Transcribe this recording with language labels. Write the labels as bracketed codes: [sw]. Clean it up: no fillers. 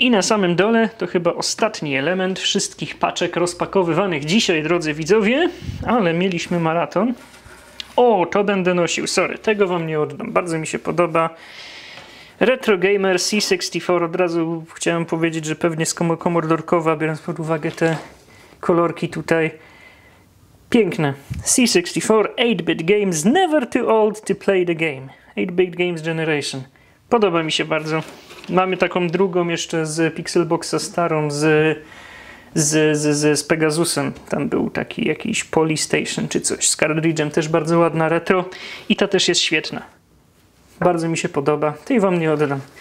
[pl] I na samym dole to chyba ostatni element wszystkich paczek rozpakowywanych dzisiaj, drodzy widzowie. Ale mieliśmy maraton. O, to będę nosił. Sorry, tego wam nie oddam. Bardzo mi się podoba. Retro Gamer C64, od razu chciałem powiedzieć, że pewnie z komordorkowa, biorąc pod uwagę te kolorki tutaj. Piękne. [en] C64, 8-bit games, never too old to play the game. 8-bit games generation. [pl] Podoba mi się bardzo. Mamy taką drugą jeszcze z Pixelboxa starą, z Pegasusem. Tam był taki jakiś Polystation czy coś. Z cartridge'em też bardzo ładna retro. I ta też jest świetna. Bardzo mi się podoba. Tej wam nie oddam.